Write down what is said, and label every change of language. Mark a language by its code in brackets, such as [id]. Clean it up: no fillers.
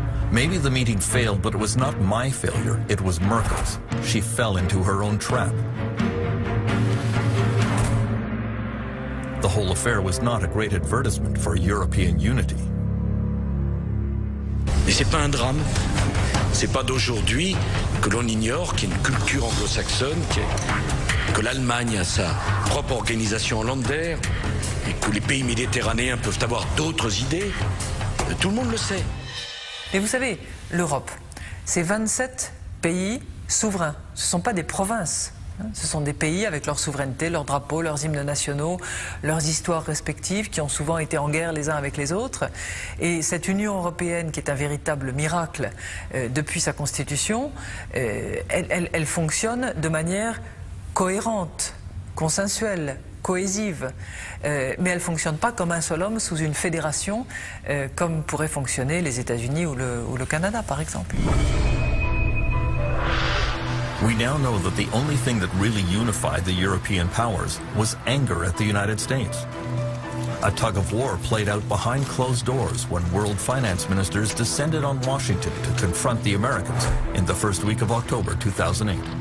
[en] Maybe the meeting failed, but it was not my failure, it was Merkel's. She fell into her own trap. The whole affair was not a great advertisement for European unity. [fr] Mais c'est pas un drame. C'est pas d'aujourd'hui que l'on ignore qu'il y a une culture anglo-saxonne, que l'Allemagne a sa propre organisation landaire, et que les pays méditerranéens peuvent avoir d'autres idées. Tout le monde le sait. Mais vous savez, l'Europe, c'est 27 pays souverains. Ce ne sont pas des provinces. Ce sont des pays avec leur souveraineté, leurs drapeaux, leurs hymnes nationaux, leurs histoires respectives qui ont souvent été en guerre les uns avec les autres. Et cette Union européenne, qui est un véritable miracle depuis sa constitution, elle fonctionne de manière cohérente, consensuelle, cohésive. Mais elle ne fonctionne pas comme un seul homme sous une fédération, comme pourraient fonctionner les États-Unis ou le Canada, par exemple. [en] We now know that the only thing that really unified the European powers was anger at the United States. A tug of war played out behind closed doors when world finance ministers descended on Washington to confront the Americans in the first week of October 2008.